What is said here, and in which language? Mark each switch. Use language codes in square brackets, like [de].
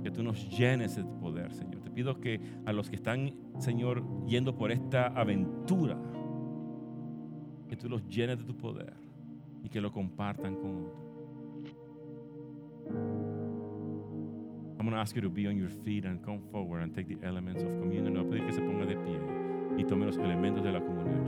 [es] Que tú nos llenes de poder, Señor. Te pido que a los que están, Señor, yendo por esta aventura, que tú los llenes de tu poder y que lo compartan con otros. [en] I'm going to ask you to be on your feet and come forward and take the elements of communion. [es] No, pedir que se ponga de pie y tome los elementos de la comunión.